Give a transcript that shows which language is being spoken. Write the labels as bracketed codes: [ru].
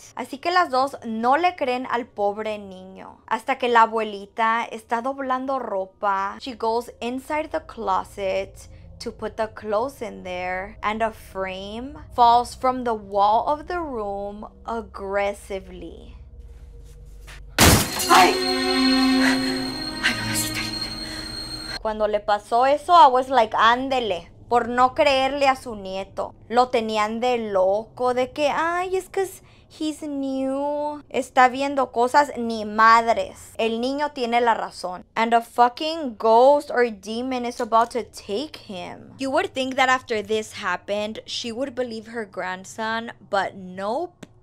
[es] Así que las dos no le creen al pobre niño. Hasta que la abuelita está doblando ropa. [en] She goes inside the closet to put the clothes in there, and a frame falls from the wall of the room aggressively. Ay! Ay, [es] cuando le pasó eso, [en] I was like, [es] ándele, por no creerle a su nieto. Lo tenían de loco, de que, ay, es que [en] he's new. [es] Está viendo cosas ni madres. El niño tiene la razón. [en] And a fucking ghost or demon is about to take him. You would think that after this happened, she would believe her grandson, but nope.